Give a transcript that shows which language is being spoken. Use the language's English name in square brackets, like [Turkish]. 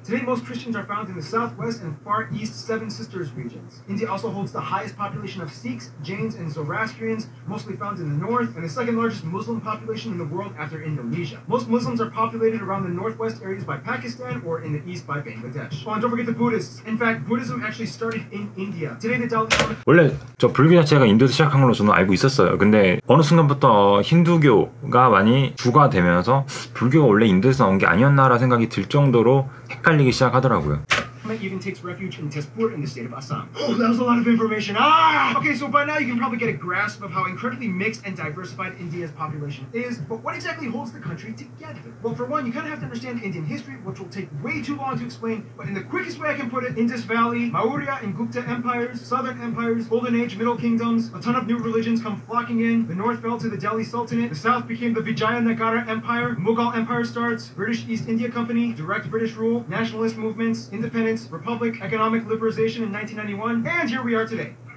[English] Today, most Christians are found in the southwest and far east Seven Sisters regions. India also holds the highest population of Sikhs, Jains, and Zoroastrians, mostly found in the north, and the second largest Muslim population in the world after Indonesia. Most Muslims are populated around the northwest areas by Pakistan or in the east by Bangladesh. Oh, and don't forget the Buddhists. In fact, Buddhism actually started in India. Today the Dalai Lama [Korean] 원래 저 불교 자체가 인도에서 시작한 걸로 저는 알고 있었어요. 근데 어느 순간부터 힌두교가 많이 주가 되면서 불교가 원래 인도에서 나온 게 아니었나라 생각이 들 정도로 헷갈리기 시작하더라고요. [English] Even takes refuge in Tezpur in the state of Assam. Oh, that was a lot of information. Ah! Okay, so by now you can probably get a grasp of how incredibly mixed and diversified India's population is, but what exactly holds the country together? Well, for one, you kind of have to understand Indian history, which will take way too long to explain, but in the quickest way I can put it, Indus Valley, Maurya and Gupta empires, southern empires, golden age, middle kingdoms, a ton of new religions come flocking in, the north fell to the Delhi Sultanate, the south became the Vijayanagara Empire, Mughal Empire starts, British East India Company, direct British rule, nationalist movements, independent Republic, economic liberalization in 1991, and here we are today.